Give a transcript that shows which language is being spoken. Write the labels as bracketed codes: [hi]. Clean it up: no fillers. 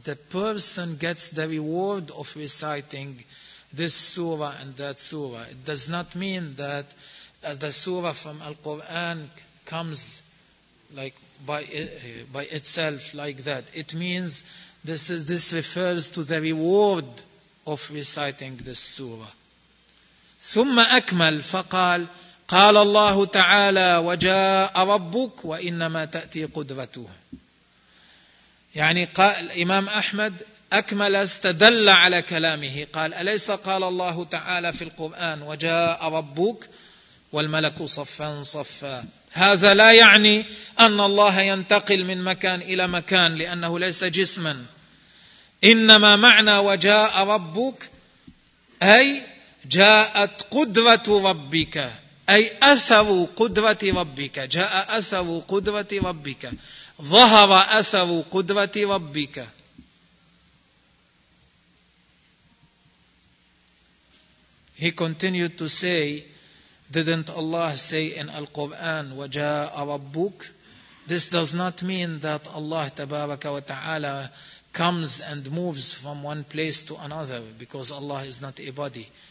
[en] The person gets the reward of reciting this surah and that surah. It does not mean that the surah from Al-Quran comes like by itself like that. It means this refers to the reward of reciting this surah. [ar] ثم أكمل فقال قال الله تعالى وجاء ربك وإنما تأتي قدرته. يعني قال إمام أحمد أكمل استدل على كلامه قال أليس قال الله تعالى في القرآن وجاء ربك والملك صفا صفا. هذا لا يعني أن الله ينتقل من مكان إلى مكان لأنه ليس جسما. إنما معنى وجاء ربك أي جاءت قدرة ربك، أي أثر قدرة ربك، جاء أثر قدرة ربك، ظهر أثر قدرة ربك. [en] He continued to say, didn't Allah say in Al-Quran, [ar] وجاء ربك؟ [en] This does not mean that Allah تبارك وتعالى comes and moves from one place to another, because Allah is not a body.